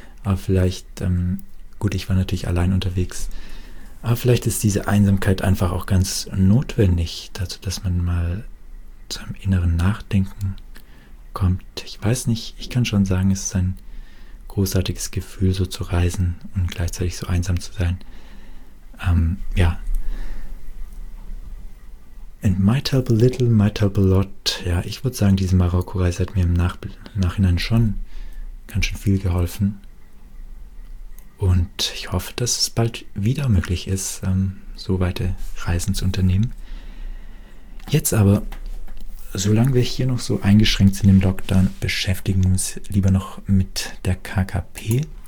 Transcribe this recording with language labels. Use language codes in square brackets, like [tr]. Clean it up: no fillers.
[de] Aber vielleicht, gut, ich war natürlich allein unterwegs, aber vielleicht ist diese Einsamkeit einfach auch ganz notwendig dazu, dass man mal zu einem inneren Nachdenken kommt. Ich weiß nicht, ich kann schon sagen, es ist ein großartiges Gefühl, so zu reisen und gleichzeitig so einsam zu sein. Ja. [en] And might help a little, might help a lot. [de] Ja, ich würde sagen, diese Marokko-Reise hat mir im Nachhinein schon ganz schön viel geholfen. Und ich hoffe, dass es bald wieder möglich ist, so weite Reisen zu unternehmen. Jetzt aber, solange wir hier noch so eingeschränkt sind im Lockdown, beschäftigen wir uns lieber noch mit der KKP.